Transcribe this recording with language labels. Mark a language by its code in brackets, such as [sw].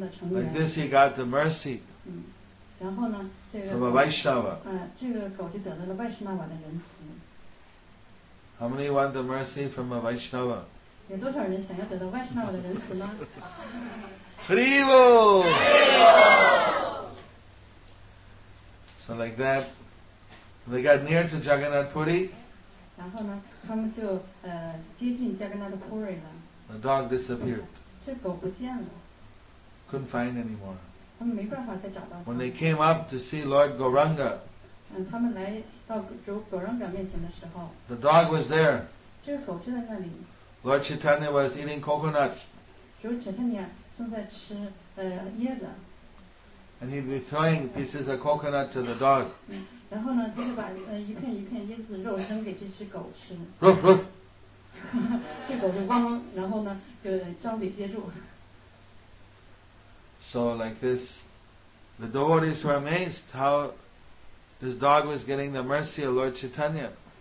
[en] Like this, he got the mercy. [zh] 然后呢，这个狗就得到了 Vaishnava 的仁慈。 [en] How many want the mercy from a Vaishnava? [zh] 有多少人想要得到 Vaishnava 的仁慈呢？ Haribo! Haribo! [en] So like that, they got near to Jagannath Puri. [zh] 然后呢，他们就接近 Jagannath Puri 了。 [en] The dog disappeared. [zh] 这狗不见了。 [en] Couldn't find anymore. [zh] 他们没办法再找到他。 [en] When they came up to see Lord Gauranga, [zh] 他们来到主 Gauranga 面前的时候， [en] the dog was there. [zh] 这个狗就在那里。 [en] Lord Chaitanya was eating coconut. [zh] 主 Chaitanya 正在吃椰子。 [en] And he'd be throwing pieces of coconut to the dog. [zh] 然后呢，他就把一片一片椰子肉扔给这只狗吃。 Roof, roof. 这狗就汪，然后呢就张嘴接住。 [en] So like this, the devotees were amazed how this dog was getting the mercy of Lord Chaitanya.